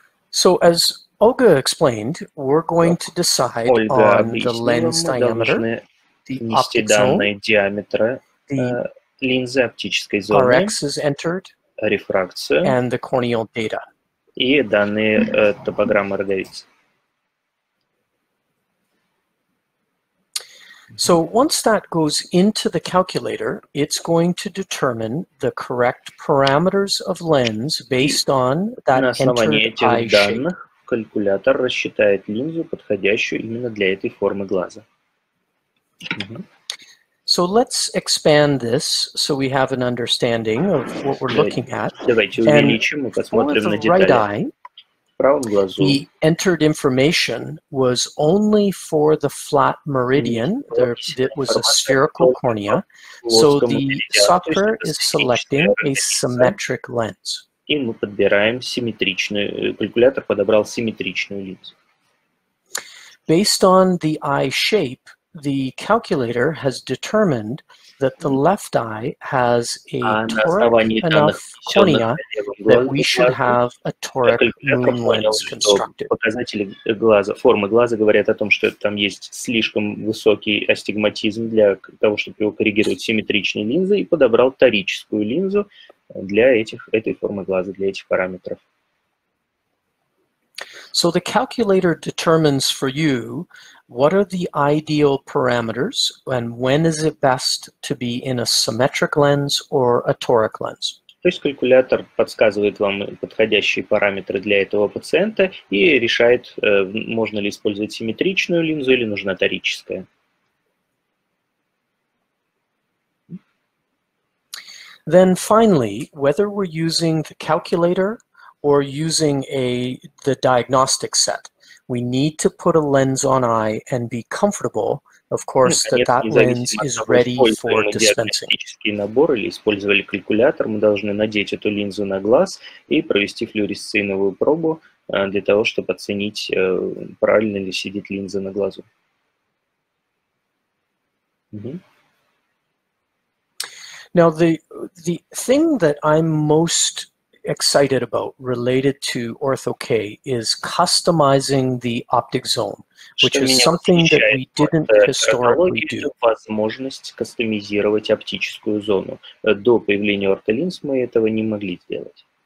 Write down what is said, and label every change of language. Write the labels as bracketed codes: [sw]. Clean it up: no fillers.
[en] So, as Olga explained, we're going to decide on the lens diameter, the optical zone, [ru] линзы оптической зоны, [en] RX is entered, [ru] рефракцию, [en] and the corneal data. [ru] И данные топограммы роговицы. [en] So once that goes into the calculator, it's going to determine the correct parameters of lens based on that entered eye shape. [ru] На основании этих данных калькулятор рассчитает линзу, подходящую именно для этой формы глаза. [en] So let's expand this so we have an understanding of what we're looking at. [ru] Давайте увеличим и посмотрим на детали. В правом глазу. [en] The entered information was only for the flat meridian. It was a spherical cornea. So the software is selecting a symmetric lens. [ru] И мы подбираем симметричную. Калькулятор подобрал симметричную линзу. [en] Based on the eye shape, the calculator has determined that the left eye has a toric enough cornea that we should have a toric moon lens constructed. [ru] Показатели глаза, формы глаза говорят о том, что там есть слишком высокий астигматизм для того, чтобы его коррегировать симметричной линзой, и подобрал торическую линзу для этих, этой формы глаза, для этих параметров. [en] So the calculator determines for you what are the ideal parameters and when is it best to be in a symmetric lens or a toric lens? [ru] То есть калькулятор подсказывает вам подходящие параметры для этого пациента и решает, можно ли использовать симметричную линзу или нужна торическая. [en] Then finally, whether we're using the calculator or using the diagnostic set, we need to put a lens on eye and be comfortable, of course, that that lens is ready for dispensing. [ru] Диагностический набор или использовали калькулятор, мы должны надеть эту линзу на глаз и провести флуоресцейновую пробу для того, чтобы оценить, правильно ли сидит линза на глазу. [en] Now, the thing that I'm most excited about related to Ortho-K is customizing the optic zone, which is something that we didn't historically do. [ru] Возможность кастомизировать оптическую зону. До появления ортолинз мы этого не могли сделать.